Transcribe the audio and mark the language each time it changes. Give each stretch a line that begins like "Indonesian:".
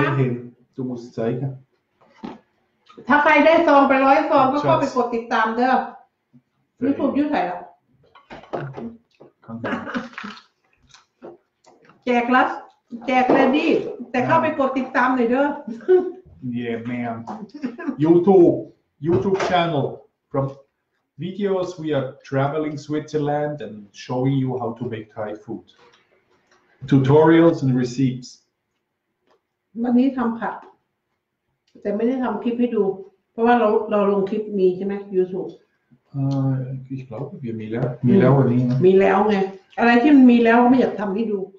Thai: ไม่เห็น
German: Du musst zeigen.
Thai: ถ้าใครได้ซองไปร้อยซองก็เข้าไปกดติดตามเด้อไม่ถูกยุ่งไหนแล้วแจกแล้ว แจกเลยดิแต่เข้าไปกดติดตามหน่อยเด้อ
English: Yeah ma'am YouTube YouTube channel from videos we are traveling Switzerland and showing you how to make Thai food tutorials and receipts
Thai: วันนี้ทำผัดแต่ไม่ได้ทำคลิปให้ดูเพราะว่าเราลงคลิปมีใช่ไหม YouTube คลิปเรามีแล้วมีแล้ววันนี้นะ มีแล้วไงอะไรที่มันมีแล้วไม่อยากทำให้ดู